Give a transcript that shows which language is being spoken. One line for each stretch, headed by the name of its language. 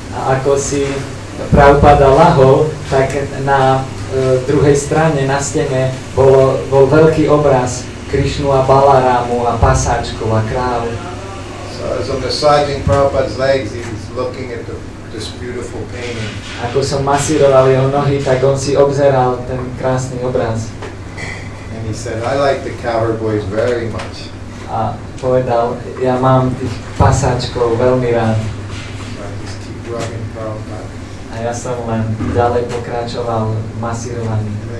Slovak: A ako si Prabhupada lahol, tak na druhej strane, na stene, bol veľký obraz Krishnu a Balarámu a pasáčku a kráľ.
English: So as I'm massaging Prabhupada's legs, he's looking at this beautiful painting.
Slovak: Ako som masíroval jeho nohy, tak on si obzeral ten krásny obraz.
English: And he said, I like the cowherd boys very much.
Slovak: A povedal, ja mám tých pasáčkov veľmi rád.
English: So I just keep rubbing Prabhupada.
Slovak: A ja som len ďalej pokračoval masírovaný.